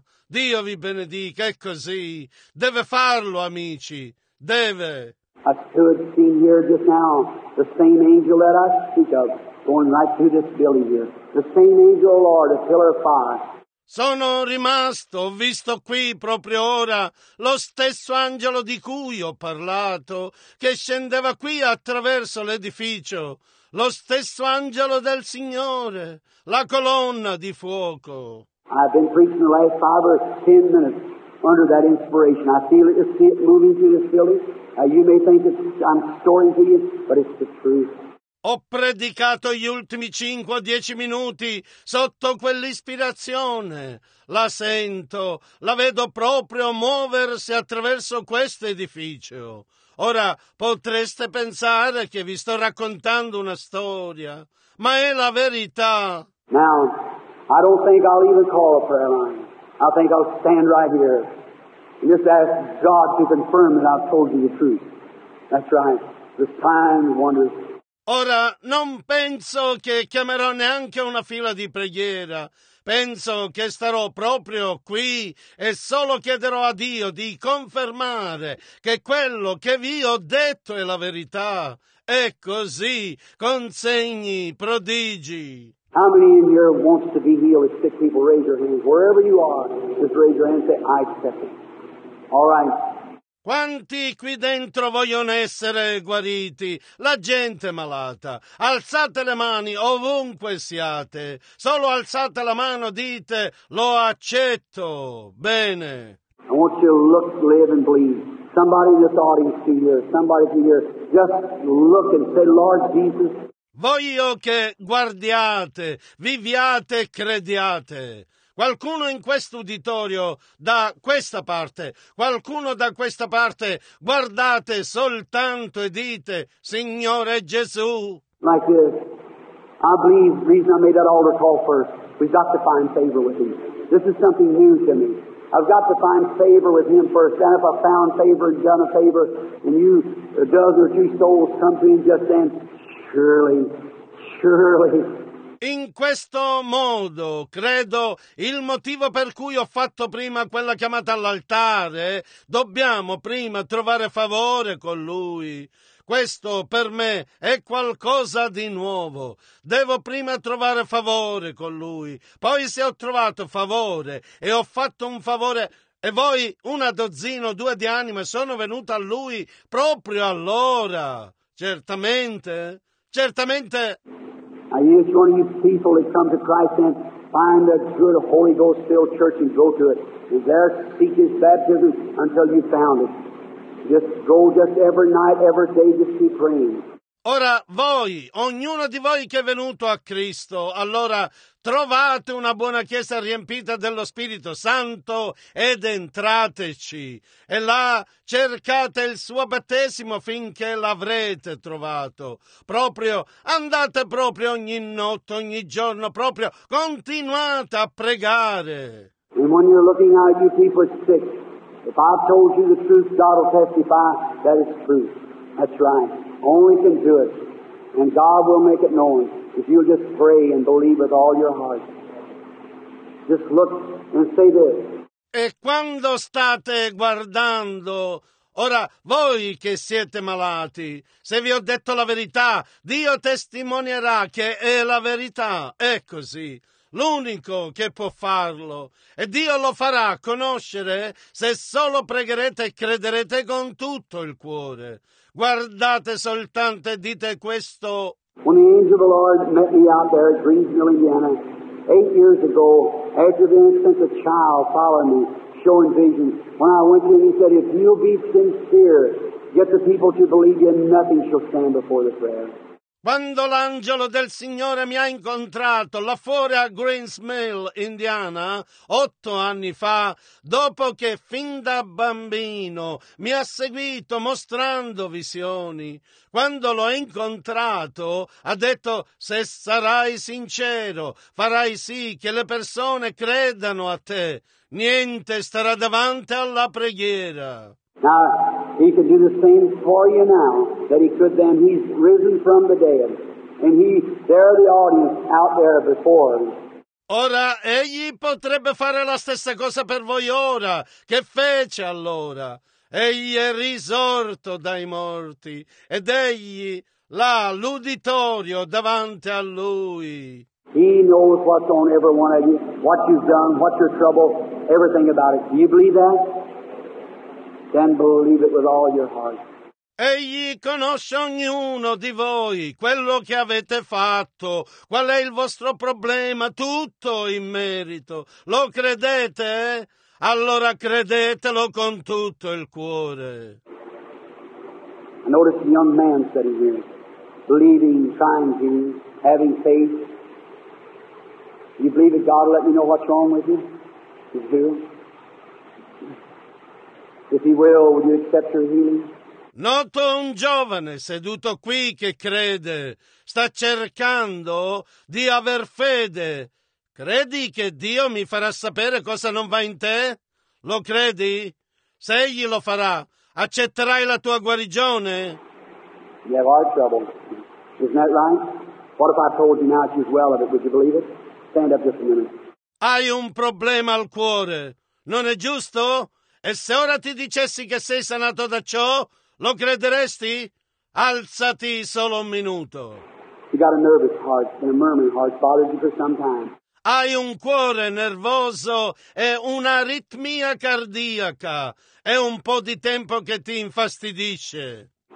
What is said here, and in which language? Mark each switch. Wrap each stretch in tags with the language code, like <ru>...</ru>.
<it>Dio vi benedica, è così, deve farlo amici, deve.</it> <en>I stood seen here just now, the same angel that I speak of, going right through this building here. The same angel, Lord, a pillar of fire.</en> <it>Sono rimasto, ho visto qui proprio ora, lo stesso angelo di cui ho parlato, che scendeva qui attraverso l'edificio. lo stesso angelo del Signore, la colonna di fuoco.</it> <en>I've been preaching the last 5 or 10 minutes under that inspiration. I feel it, just see it moving through this building. You may think it's, I'm storing to you, but it's the truth.</en> <it>Ho predicato gli ultimi 5 o 10 minuti sotto quell'ispirazione. La sento, la vedo proprio muoversi attraverso questo edificio. Ora potreste pensare che vi sto raccontando una storia, ma è la verità.</it> <en>Now, I don't think I'll even call a prayer line. I think I'll stand right here and just ask God to confirm that I've told you the truth. That's right. This time is wondrous.</en> <it>Ora non penso che chiamerò neanche una fila di preghiera. Penso che starò proprio qui e solo chiederò a Dio di confermare che quello che vi ho detto è la verità. E così con segni, prodigi.</it> <en>How many in here wants to be healed with sick people? Raise your hands. Wherever you are, just raise your hand and say, I accept it. All right.</en> <it>Quanti qui dentro vogliono essere guariti? La gente malata. Alzate le mani ovunque siate. Solo alzate la mano, dite, lo accetto. Bene.</it> <en>I want you to look, live and believe. Somebody in this audience here, somebody here, just look and say, Lord Jesus.</en> <it>Voglio che guardiate, viviate, crediate. Qualcuno in questo uditorio, da questa parte, qualcuno da questa parte, guardate soltanto e dite, Signore Gesù.</it> <en>Like this, I believe the reason I made that altar call first, we've got to find favor with him. This is something new to me. I've got to find favor with him first. And if I found favor and done a favor, and you, a dozen or two souls come to him just then, surely, surely.</en> <it>In questo modo, credo, il motivo per cui ho fatto prima quella chiamata all'altare, dobbiamo prima trovare favore con Lui. Questo per me è qualcosa di nuovo. Devo prima trovare favore con Lui. Poi se ho trovato favore e ho fatto un favore, e voi una dozzina o due di anime sono venuta a Lui proprio allora. Certamente, certamente.</it> <en>I use one of you people that come to Christ and find a good Holy Ghost filled church and go to it. And there seek his baptism until you found it. Just go just every night, every day, just keep praying.</en> <it>Ora voi, ognuno di voi che è venuto a Cristo, allora trovate una buona chiesa riempita dello Spirito Santo ed entrateci. E là cercate il suo battesimo finché l'avrete trovato. Proprio andate proprio ogni notte, ogni giorno, proprio continuate a pregare.</it> <en>And when you're looking out, you people are sick. If I've told you the truth, God will testify that it's true. That's right. Only can do it, and God will make it known if you'll just pray and believe with all your heart. Just look and say this.</en> <it>E quando state guardando, ora voi che siete malati, se vi ho detto la verità, Dio testimonierà che è la verità. È così. L'unico che può farlo, e Dio lo farà conoscere se solo pregherete e crederete con tutto il cuore. Guardate soltanto e dite questo.</it> <en>When the angel of the Lord met me out there at Greensville, Indiana, 8 years ago, after the instance a child followed me, showing visions, when I went to him, he said, if you'll be sincere, get the people to believe you, nothing shall stand before the prayer.</en> <it>Quando l'angelo del Signore mi ha incontrato là fuori a Greensville, Indiana, 8 anni fa, dopo che fin da bambino mi ha seguito mostrando visioni, quando l'ho incontrato ha detto, se sarai sincero, farai sì che le persone credano a te, niente starà davanti alla preghiera.</it> <en>Now, he can do the same for you now that he could then. He's risen from the dead. And he, there are the audience out there before him.</en> <it>Ora, egli potrebbe fare la stessa cosa per voi ora. Che fece allora? Egli è risorto dai morti. Ed egli, là, l'uditorio davanti a lui.</it> <en>He knows what's on every one of you, what you've done, what your trouble, everything about it. Do you believe that? Then believe it with all your heart.</en> <it>Egli conosce ognuno di voi, quello che avete fatto, qual è il vostro problema, tutto in merito. Lo credete? Allora credetelo con tutto il cuore.</it> <en>I noticed a young man sitting here, believing, trying to, having faith. You believe that God will let me know what's wrong with you? Is it true? If He will you accept your healing?</en> <it>Noto un giovane seduto qui che crede, sta cercando di aver fede. Credi che Dio mi farà sapere cosa non va in te? Lo credi? Se Egli lo farà, accetterai la tua guarigione?</it> <en>You have heart trouble. Isn't that right? What if I told you now she's well of it? Would you believe it? Stand up just a minute.</en> <it>Hai un problema al cuore. Non è giusto? E se ora ti dicessi che sei sanato da ciò, lo crederesti? Alzati solo un minuto.</it> <en>You got a nervous heart and a murmuring heart bothered you for some time.</en> <it>Hai un cuore nervoso e un'aritmia cardiaca. È un po' di tempo che ti infastidisce.</it>